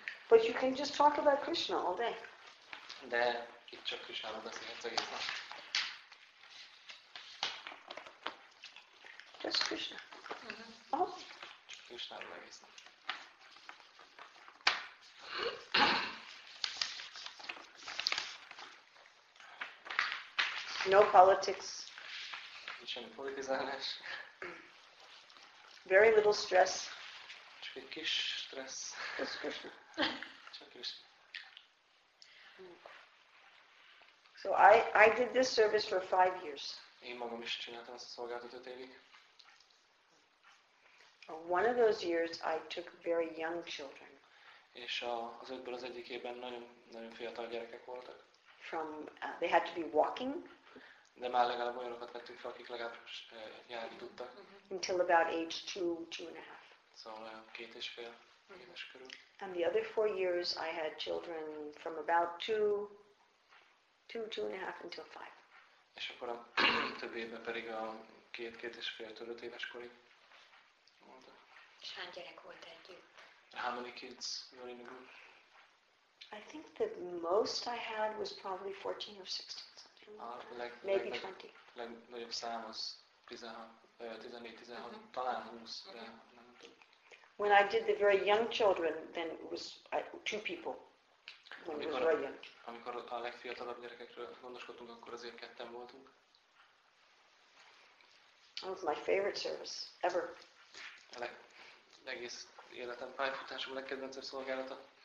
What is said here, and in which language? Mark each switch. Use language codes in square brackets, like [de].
[en] But you can just talk about Krishna all day. [hu] De itt csak Krishnáról beszélhetsz egész nap. [en] Just Krishna. [hu] Csak Krishnáról egész nap. [en] No politics. [hu] Nincs semmi politizálás. [en] Very little stress. [hu] Csak egy kis stressz. [en] Just Krishna. [hu] Csak Krishna. [en] So I did this service for 5 years. [hu] Én magam is csináltam ezt a szolgáltat 5 évig. [en] One of those years I took very young children. [hu] És az ötből az egyikében nagyon fiatal gyerekek voltak. [en] From they had to be walking. [hu] De már legalább olyanokat vettünk fel, akik legalább járni tudtak. [en] Until about age 2, 2.5. [hu] Szóval olyan 2.5 éves körül. [en] And the other 4 years I had children from about 2, 2.5 until 5. [hu] És akkor a többi évben pedig a 2, 2.5-től 5 éves korig voltak. És hány gyerek volt együtt? [en] How many kids were in the group? I think the most I had was probably 14 or 16. Maybe 20. [hu] Legnagyobb szám az 14-16, talán 20, de nem tudom. [en] When I did the very young children, then it was 2 people. When [hu] amikor, [en] it was very young. [hu] Amikor a legfiatalabb gyerekekről gondoskodtunk, akkor azért ketten voltunk. [en] That was my favorite service ever. [hu] Egész életem pályafutásom legkedvencebb szolgálata.